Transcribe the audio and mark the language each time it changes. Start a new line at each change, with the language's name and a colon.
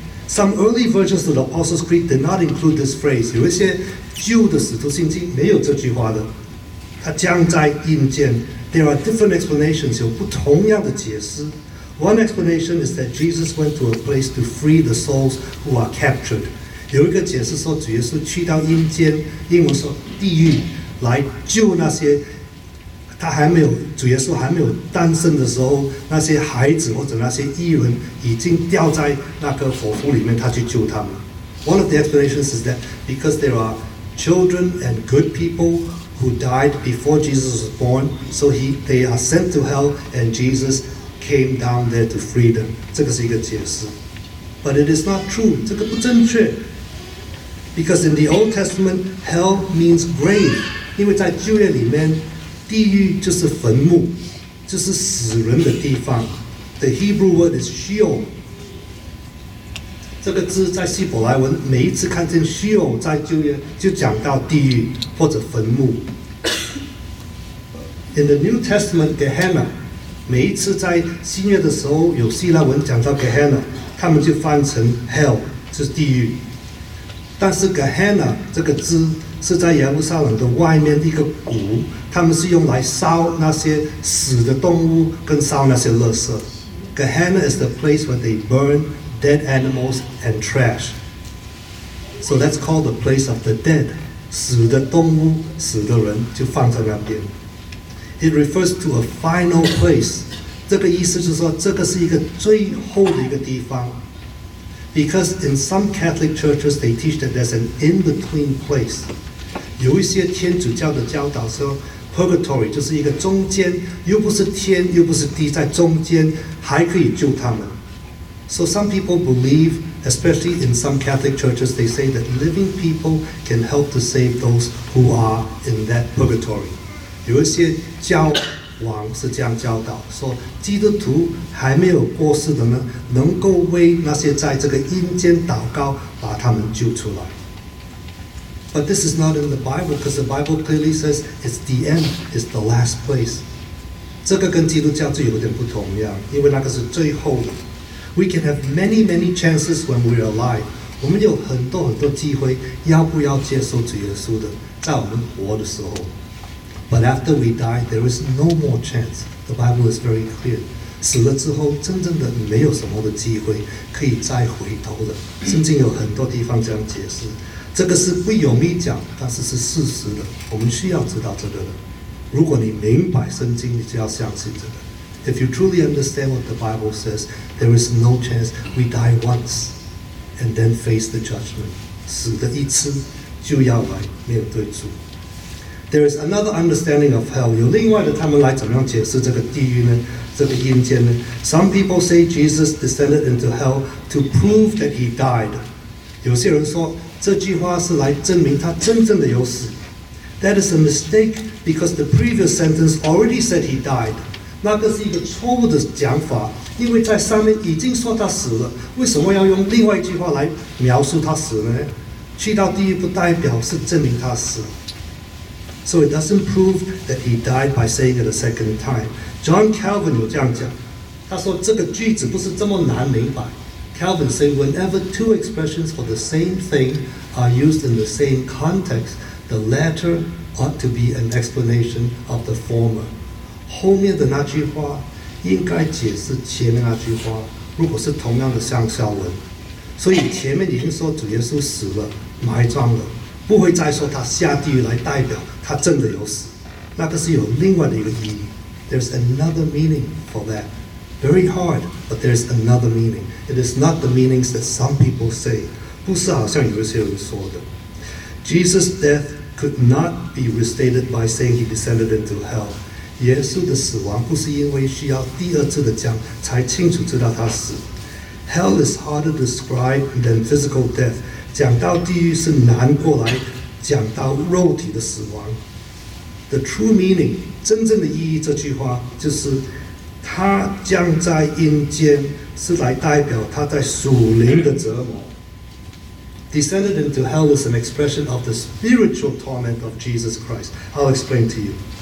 English: Some early versions of the Apostles' Creed did not include this phrase。
Chinese: 有一些旧的使徒信经没有这句话的，他将在阴间。
English: There are different explanations，
Chinese: 有不同样的解释。
English: One explanation is that Jesus went to a place to free the souls who are captured。
Chinese: 有一个解释说主耶稣去到阴间，英文说地狱，来救那些他还没有，主耶稣还没有诞生的时候，那些孩子或者那些义人已经掉在那个火湖里面，他去救他们。
English: One of the explanations is that because there are children and good peoplewho died before Jesus was born, so they are sent to hell, and Jesus came down there to free them.
Chinese: 这个是一个解释。
English: But it is not true,
Chinese: 这个不正确。
English: Because in the Old Testament, hell means grave.
Chinese: 因为在旧约里面，地狱就是坟墓，就是死人的地方。
English: The Hebrew word is Sheol.
Chinese: 这个字在希伯来文，每一次看见 Sheol 在旧约，就讲到地狱或者坟墓。
English: In the New Testament,
Chinese: Gehenna， 每一次在新约的时候有希腊文讲到 Gehenna， 他们就翻成 Hell， 就是地狱。但是 Gehenna 这个字是在耶路撒冷的外面的一个谷，他们是用来烧那些死的动物跟烧那些垃圾。
English: Gehenna is the place where they burn dead animals and trash. So that's called the place of the dead，
Chinese: 死的动物、死的人就放在那边。
English: It refers to a final place.
Chinese: 这个意思就是说，这个是一个最后的一个地方。
English: Because in some Catholic churches, they teach that there's an in-between place.
Chinese: 有一些天主教的教导说 ，purgatory 就是一个中间，又不是天，又不是地，在中间还可以救他们。
English: So some people believe, especially in some Catholic churches, they say that living people can help to save those who are in that purgatory.
Chinese: 有一些教王是这样教导，说基督徒还没有过世的呢，能够为那些在这个阴间祷告，把他们救出来。
English: But this is not in the Bible, because the Bible clearly says it's the end, it's the last place.
Chinese: 这个跟基督教就有点不同样，因为那个是最后的。
English: We can have many, many chances when we are alive.
Chinese: 我们有很多很多机会，要不要接受主耶稣的，在我们活的时候。
English: But after we die, there is no more chance. The Bible is very clear.
Chinese: 死了之后，真正的没有什么的机会可以再回头了。圣经有很多地方这样解释。这个是不容易讲，但是是事实的。我们需要知道这个的。如果你明白圣经，你就要相信这个。
English: If you truly understand what the Bible says, there is no chance. We die once, and then face the judgment.
Chinese: 死的一次，就要来面对主。
English: There is another understanding of hell.
Chinese: 有另外的，他们来怎么样解释这个地狱呢？这个阴间呢 ？
English: Some people say Jesus descended into hell to prove that he died.
Chinese: 有些人说这句话是来证明他真正的有死。
English: That is a mistake because the previous sentence already said he died.
Chinese: 那个是一个错误的讲法，因为在上面已经说他死了，为什么要用另外一句话来描述他死了呢？去到地狱不代表是证明他死。
English: So it doesn't prove that he died by saying it a second time.
Chinese: John Calvin 有这样讲，他说这个句子不是这么难明白。
English: Calvin said, whenever two expressions for the same thing are used in the same context, the latter ought to be an explanation of the former.
Chinese: 后面的那句话应该解释前面那句话，如果是同样的上下文。所以前面已经说主耶稣死了，埋葬了。不会再说他下地狱来代表他真的有死，那个是有另外的一个意义。
English: There's another meaning for that. Very hard, but there's another meaning. It is not the meanings that some people say.
Chinese: 不是好像有些人说的。
English: Jesus' death could not be restated by saying he descended into hell.
Chinese: 耶稣的死亡不是因为需要第二次的讲才清楚知道他死。
English: Hell is harder to describe than physical death.
Chinese: 讲到地狱是难过来讲到肉体的死亡。
English: The true meaning,
Chinese: 真正的意义这句话就是 他将在阴间是来代表他在属灵的折磨。
English: Descended into hell is an expression of the spiritual torment of Jesus Christ. I'll explain to you.